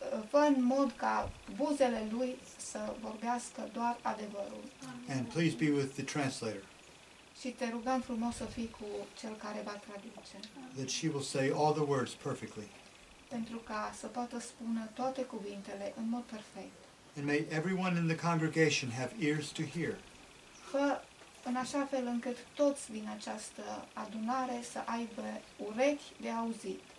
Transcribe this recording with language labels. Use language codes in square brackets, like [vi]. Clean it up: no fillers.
[ro] Fă în mod ca buzele lui să vorbească doar adevărul. [en] And please be with the translator. [ro] Și te rugăm frumos să fii cu cel care va traduce. [en] That she will say all the words perfectly. [ro] Pentru ca să poată spune toate cuvintele în mod perfect. [en] And may everyone in the congregation have ears to hear. [ro] Fă în așa fel încât toți din această adunare să aibă urechi de auzit.